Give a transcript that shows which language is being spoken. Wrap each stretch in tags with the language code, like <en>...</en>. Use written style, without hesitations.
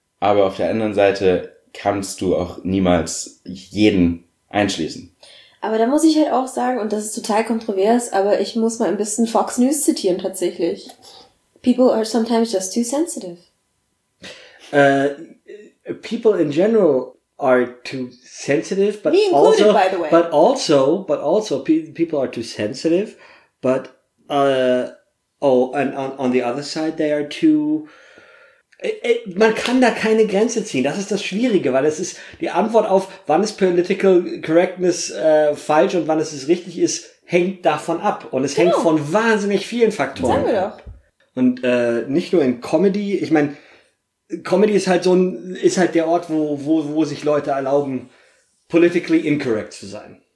<de>aber auf der anderen Seite kannst du auch niemals jeden einschließen. Aber da muss ich halt auch sagen, und das ist total kontrovers, aber ich muss mal ein bisschen Fox News zitieren tatsächlich.</de> <en>People are sometimes just too sensitive. People in general are too sensitive, but me included, also, by the way. But also, people are too sensitive, but and on the other side, they are too.</en> <de>Man kann da keine Grenze ziehen. Das ist das Schwierige, weil es ist die Antwort auf, wann ist political correctness falsch und wann ist es richtig ist, hängt davon ab. Und es hängt von wahnsinnig vielen Faktoren. Sagen wir doch. Und nicht nur in Comedy. Ich meine, Comedy ist halt der Ort, wo sich Leute erlauben, politically incorrect zu sein.</de>